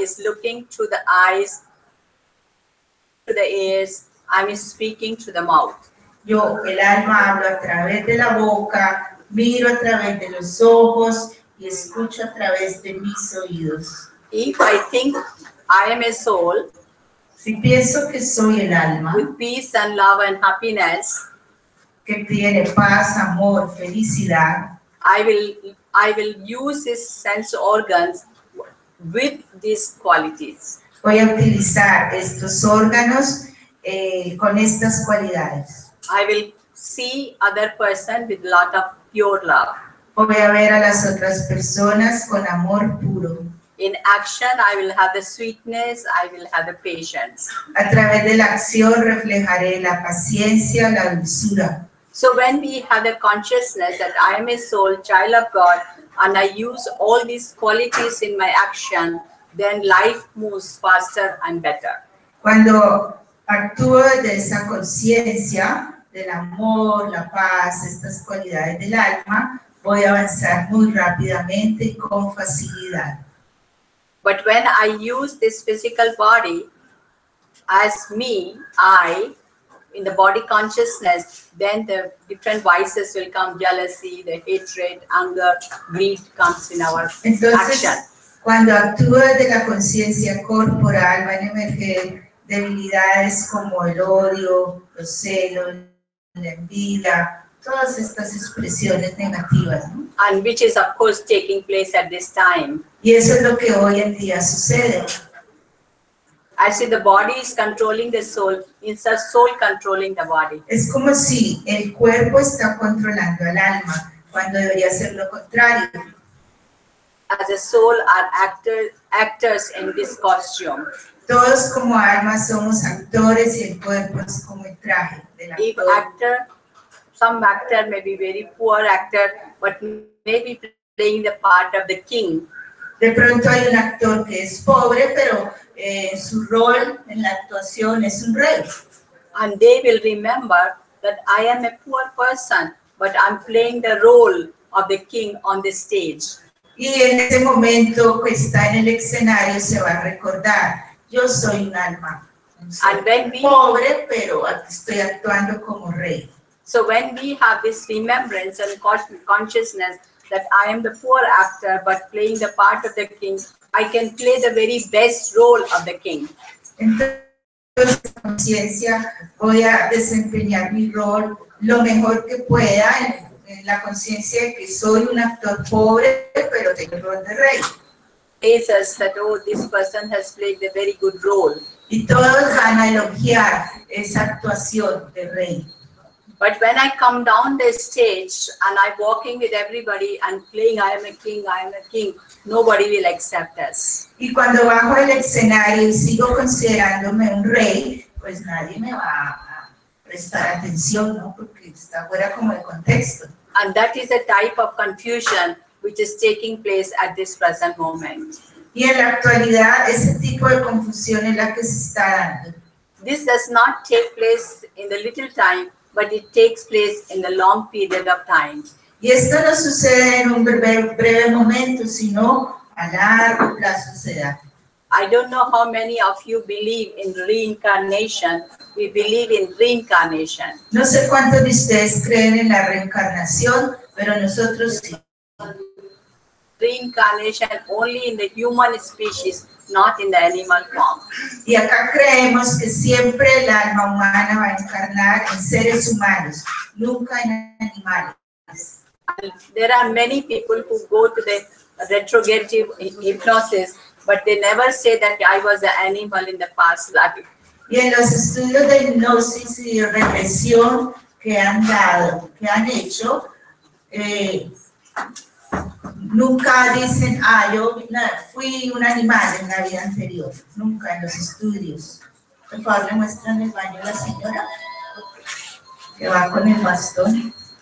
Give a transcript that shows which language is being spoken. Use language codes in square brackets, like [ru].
[en] Alma is looking through the eyes, through the ears, I'm speaking through the mouth. [es] Yo, el alma, hablo a través de la boca, miro a través de los ojos y escucho a través de mis oídos. [en] If I think I am a soul, [es] si pienso que soy el alma, [en] with peace and love and happiness, [es] que tiene paz, amor, felicidad, [en] I will use these sense organs with these qualities. [es] Voy a utilizar estos órganos con estas cualidades. [en] I will see other person with lot of pure love. [es] Voy a ver a las otras personas con amor puro. [en] In action, I will have the sweetness, I will have the patience. [es] A través de la acción reflejaré la paciencia, la dulzura. [en] So when we have the consciousness that I am a soul, child of God, and I use all these qualities in my action, then life moves faster and better. [es] Cuando actúo de esa conciencia del amor, la paz, estas cualidades del alma, voy a avanzar muy rápidamente y con facilidad. [en] But when I use this physical body as me, I, in the body consciousness, then the different vices will come, jealousy, the hatred, anger, greed comes in our [es] entonces, [en] action. [es] Cuando actúa de la conciencia corporal, van a emerger debilidades como el odio, los celos, la envidia, todas estas expresiones negativas. ¿No? [en] And which is of course taking place at this time. [es] Y eso es lo que hoy en día sucede. [en] I see the body is controlling the soul, it's a soul controlling the body. [es] Es como si el cuerpo está controlando al alma, cuando debería ser lo contrario. [en] As a soul are actors in this costume. [es] Todos como almas somos actores y el cuerpo es como el traje de la actor. [en] If actor, some actor may be very poor actor, but maybe playing the part of the king. [es] De pronto hay un actor que es pobre, pero su rol en la actuación es un rey. [en] And they will remember that I am a poor person, but I'm playing the role of the king on the stage. [es] Y en ese momento que está en el escenario se va a recordar, yo soy un alma. Pobre, pero estoy actuando como rey. [en] So when we have this remembrance and consciousness that I am the poor actor, but playing the part of the king, I can play the very best role of the king. [es] Entonces, conciencia, voy a desempeñar mi rol lo mejor que pueda en la conciencia de que soy un actor pobre, pero tengo el rol de rey. [en] Says that, oh, this person has played a very good role. [es] Y todos van a elogiar esa actuación de rey. [en] But when I come down the stage and I'm walking with everybody and playing, I am a king, I am a king, nobody will accept us. [es] Y cuando bajo el escenario y sigo considerándome un rey, pues nadie me va a prestar atención, ¿no? Porque está fuera como el contexto. [en] And that is the type of confusion which is taking place at this present moment. [es] Y en la actualidad, ese tipo de confusión es la que se está dando. [en] This does not take place in the little time, but it takes place in a long period of time. [es] Y esto no sucede en un breve momento, sino a largo plazo se da. [en] I don't know how many of you believe in reincarnation. We believe in reincarnation. [es] No sé cuántos de ustedes creen en la reencarnación, pero nosotros sí. [en] Reincarnation only in the human species, not in the animal form. [es] Y acá creemos que siempre el alma humana va a encarnar en seres humanos, nunca en animales. [en] And there are many people who go to the retrogressive hypnosis, but they never say that I was an animal in the past life. [es] Y en los estudios de hipnosis y de regresión que han dado, que han hecho, nunca dicen, ah, yo fui un animal en la vida anterior, nunca en los estudios. Por favor, le muestran el baño a la señora, que va con el bastón.